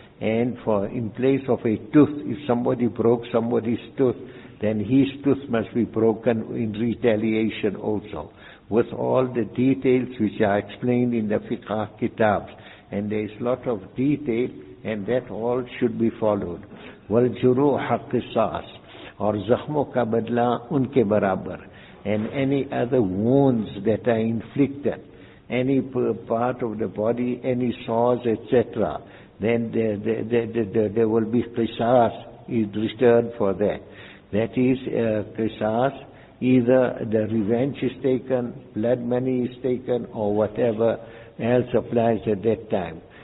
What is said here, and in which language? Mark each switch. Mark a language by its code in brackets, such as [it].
[en] And for in place of a tooth, if somebody broke somebody's tooth, then his tooth must be broken in retaliation also. With all the details which are explained in the fiqh kitabs. And there is a lot of detail, and that all should be followed. [ar] وَالْجُرُوحَ قِصَاص, [ur] or زَخْمُ کا بدلہ ان کے برابر. [en] And any other wounds that are inflicted, any part of the body, any sores, etc., then there will be qisas in return for that. That is qisas, either the revenge is taken, blood money is taken, or whatever else applies at that time.